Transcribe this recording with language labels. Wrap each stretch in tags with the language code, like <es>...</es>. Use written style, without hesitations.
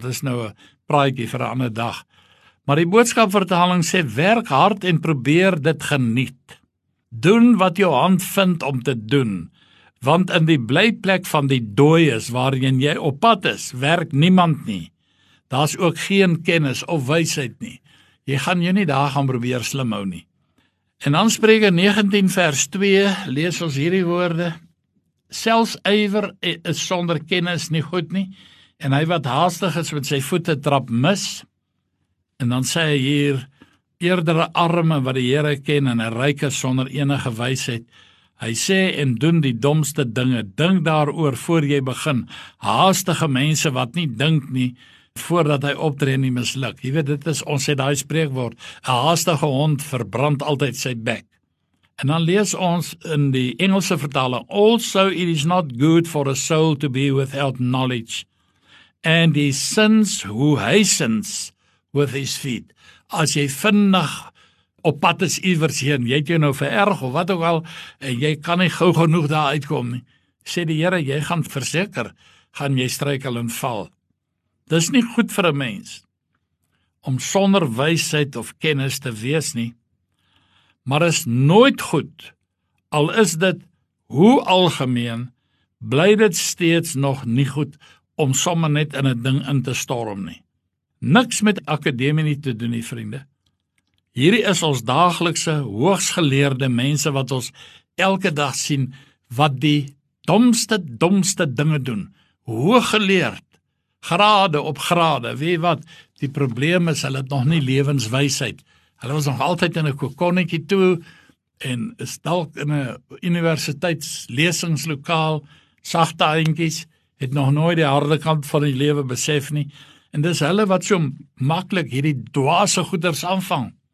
<af>Dis nou 'n praatjie vir 'n ander dag. Maar die boodskapvertaling sê, werk hard en probeer dit geniet. Doen wat jou hand vind om te doen, want in die blyplek van die dooies waarheen jy op pad is, werk niemand nie. Daar's ook geen kennis of wysheid nie. Jy gaan jou nie daar gaan probeer slim hou nie. En dan Spreuke 19 vers 2, lees ons hierdie woorde. Selfs ywer is sonder kennis nie goed nie, en hy wat haastig is met sy voete trap mis. En dan sê hy hier, eerdere arme wat die Here ken en 'n ryke sonder enige wysheid. Hy sê en doen die domste dinge, dink daaroor voor jy begin. Haastige mense wat nie dink nie, voordat hy optree nie misluk. Jy weet, dit is, ons het daai spreekwoord, 'n haastige hond verbrand altyd sy bek. En dan lees ons in die Engelse vertaling,</af> <en>also it is not good for a soul to be without knowledge, and he sins who hastens with his feet.</en> <af>As jy vinnig op pad is iewers heen, jy het jou nou vererg of wat ook al, en jy kan nie gou genoeg daar uitkom nie, sê die Here, jy gaan verseker, gaan jy struikel en val. Dis nie goed vir 'n mens om sonder wysheid of kennis te wees nie, maar is nooit goed Al is dit, hoe algemeen, bly dit steeds nog nie goed om sommer net in 'n ding in te storm nie. Niks met akademie nie te doen nie, vriende. Hierdie is ons daaglikse, hoogsgeleerde mense wat ons elke dag sien, wat die domste dinge doen, hooggeleerd, grade op grade, weet wat, die probleem is, hulle het nog nie lewenswysheid, hulle was nog altyd in 'n kokonnetjie toe, en is dalk in 'n universiteitslesingslokaal, sagte eentjies, het nog nooit die harde kant van die lewe besef nie, en dis hulle wat so maklik hierdie dwaase goeders aanvang.</af>